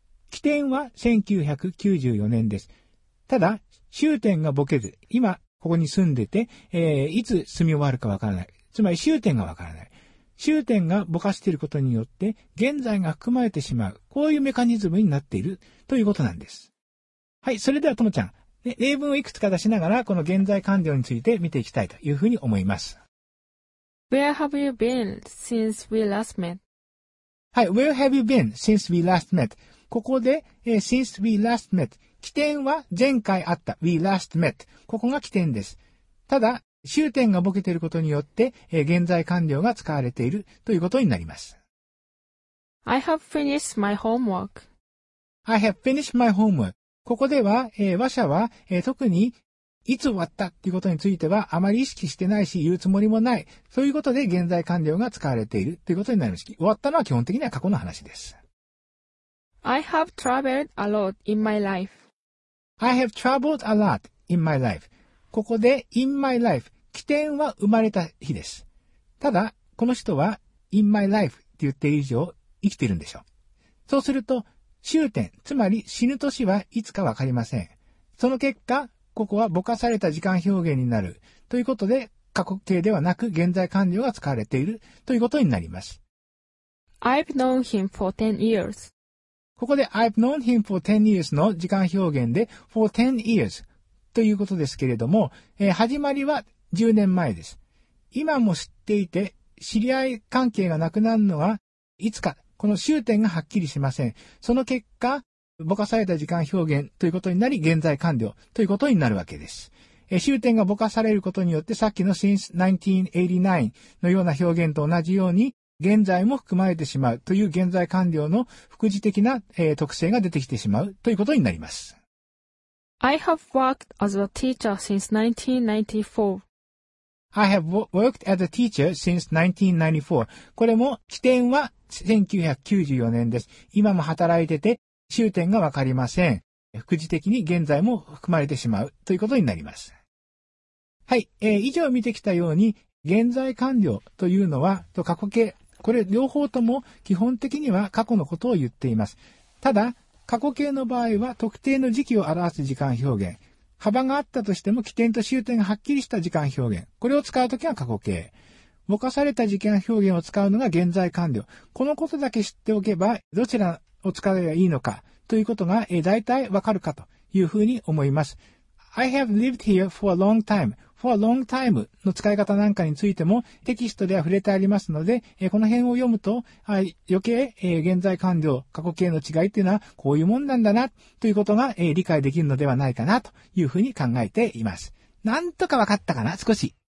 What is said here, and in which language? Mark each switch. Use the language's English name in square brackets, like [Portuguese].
[Japanese] 起点は1994年です。ただ、終点がぼけず、今、ここに住んでて、いつ住み終わるかわからない。つまり終点がわからない。終点がぼかしていることによって、現在が含まれてしまう。こういうメカニズムになっているということなんです。はい、それではともちゃん、例文をいくつか出しながら、この現在完了について見ていきたいというふうに思います。 [English] Where have you been since we last met? [Japanese] はい、 [English] Where have you been since we last met? [Japanese] ここで、 [English] since we last met。 [Japanese] 起点は前回あった [English] We last met。 [Japanese] ここが起点です。ただ終点がボケていることによって、現在完了が使われているということになります。 [English] I have finished my homework。 I have finished my homework。 [Japanese] ここでは、話者は、特にいつ終わったということについてはあまり意識してないし言うつもりもない、そういうことで現在完了が使われているということになります。終わったのは基本的には過去の話です。 [English] I have traveled a lot in my life I have traveled a lot in my life. [Japanese] ここで [English] in my life、 [Japanese] 起点は生まれた日です。ただこの人は [English] in my life [Japanese] って言っている以上生きているんでしょう。そうすると終点、つまり死ぬ年はいつかわかりません。その結果ここはぼかされた時間表現になるということで、過去形ではなく現在完了が使われているということになります。 [English] I've known him for 10 years。 [Japanese] ここで [English] I've known him for 10 years [Japanese] の時間表現で [English] for 10 years [Japanese] ということですけれども、始まりは10年前です。今も知っていて知り合い関係がなくなるのはいつか、この終点がはっきりしません。その結果ぼかされた時間表現ということになり、現在完了ということになるわけです。終点がぼかされることによって、さっきの [English] since 1989 [Japanese] のような表現と同じように現在も含まれてしまうという現在完了の副次的な、特性が出てきてしまうということになります。 [English] I have worked as a teacher since 1994. I have worked as a teacher since 1994. [Japanese] これも起点は1994年です。今も働いてて終点がわかりません。副次的に現在も含まれてしまうということになります。はい、以上見てきたように現在完了というのは、と過去形、これ両方とも基本的には過去のことを言っています。ただ、過去形の場合は特定の時期を表す時間表現。幅があったとしても起点と終点がはっきりした時間表現。これを使うときは過去形。ぼかされた時間表現を使うのが現在完了。このことだけ知っておけば、どちらを使えばいいのかということが大体わかるかというふうに思います。 [English] I have lived here for a long time. For a long time [Japanese] の使い方なんかについてもテキストでは触れてありますので、この辺を読むと余計現在完了過去形の違いっていうのはこういうもんなんだなということが理解できるのではないかなというふうに考えています。なんとかわかったかな、少し。